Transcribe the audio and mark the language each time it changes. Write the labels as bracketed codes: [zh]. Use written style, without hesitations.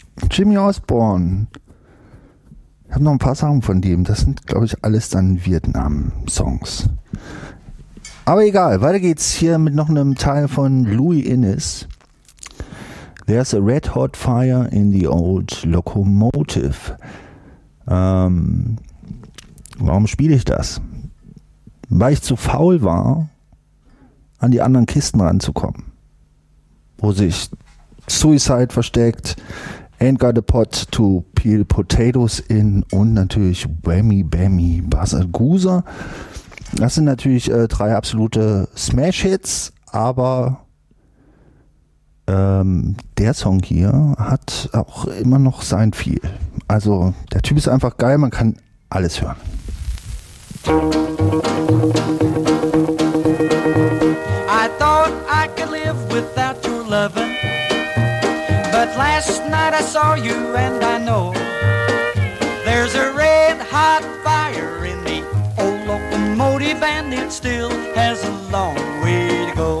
[de] Jimmy Osborne, ich habe noch ein paar Sachen von dem. Das sind, glaube ich, alles dann Vietnam-Songs. Aber egal, weiter geht's hier mit noch einem Teil von Louis Innes. [en] There's a red hot fire in the old locomotive. [de] Warum spiele ich das? Weil ich zu faul war, an die anderen Kisten ranzukommen. Wo sich Suicide versteckt, Ain't Got a Pot to Peel Potatoes in und natürlich Whammy Bammy Buzzard Gooser. Das sind natürlich drei absolute Smash-Hits, aber der Song hier hat auch immer noch sein Feel. Also der Typ ist einfach geil, man kann alles hören. [en] I thought I could live without your loving, but last night I saw you and I know there's a red hot fire in the old locomotive and it still has a long way to go.